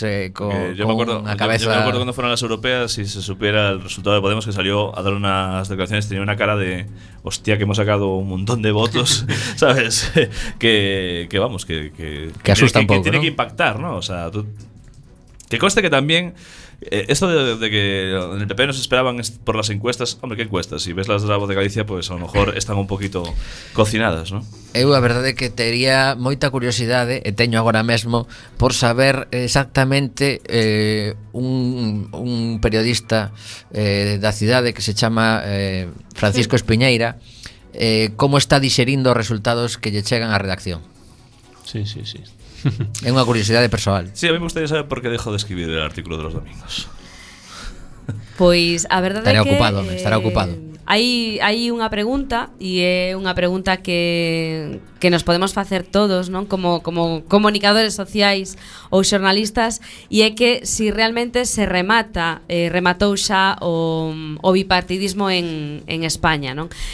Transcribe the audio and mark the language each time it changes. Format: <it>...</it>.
<es>yo me acuerdo cuando fueron las europeas y se supiera el resultado de Podemos, que salió a dar unas declaraciones, tenía una cara de hostia, que hemos sacado un montón de votos, ¿sabes? que asusta un poco, que tiene, ¿no?, que impactar, ¿no? O sea, tú. Que conste que también, esto de que en el PP nos esperaban por las encuestas, hombre, ¿qué encuestas? Si ves las de La Voz de Galicia, pues a lo mejor están un poquito cocinadas, ¿no?</es> <gl>Eu, a verdade, que tería moita curiosidade, e teño agora mesmo, por saber exactamente un periodista da cidade que se chama Francisco Espiñeira, como está dixerindo os resultados que lle chegan á redacción.</gl> <es>Sí. Es una curiosidad de personal. Sí, a mí me gustaría saber por qué dejo de escribir el artículo de los domingos. Pues, a verdad estaré ocupado, estará ocupado. Hay una pregunta, y es una pregunta que nos podemos hacer todos, ¿no? Como comunicadores sociales o jornalistas, y es que si realmente se remata, remató ya o bipartidismo en España, ¿no?</es>